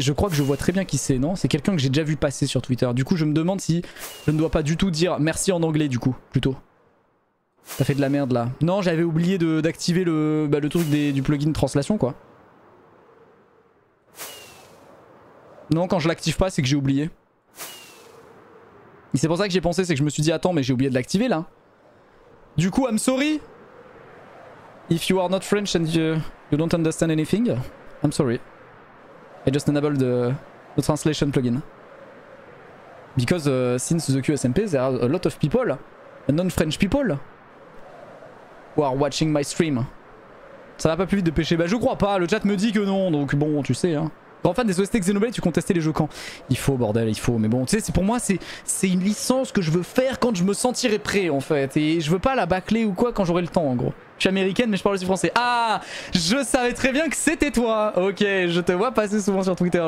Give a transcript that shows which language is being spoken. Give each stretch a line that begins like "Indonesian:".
French: Je crois que je vois très bien qui c'est, non? C'est quelqu'un que j'ai déjà vu passer sur Twitter. Du coup, je me demande si je ne dois pas du tout dire merci en anglais, du coup, plutôt. Ça fait de la merde, là. Non, j'avais oublié d'activer le, bah, le truc du plugin translation, quoi. Non, quand je l'active pas, c'est que j'ai oublié. Et c'est pour ça que j'ai pensé, c'est que je me suis dit, attends, mais j'ai oublié de l'activer, là. Du coup,
English: I'm sorry. If you are not French and you don't understand anything, I'm sorry. I just enabled the translation plugin. Because since the QSMP, there are a lot of people, non-French people, who are watching my stream.
French: Ça va pas plus vite de pêcher? Bah je crois pas, le chat me dit que non, donc bon, tu sais. Hein. Grand fan des OST Xenoblade, tu contestais les jeux quand? Il faut, bordel, il faut. Mais bon, tu sais, pour moi, c'est une licence que je veux faire quand je me sentirai prêt, en fait. Et je veux pas la bâcler ou quoi quand j'aurai le temps, en gros. Je suis américaine, mais je parle aussi français. Ah, je savais très bien que c'était toi. Ok, je te vois passer souvent sur Twitter.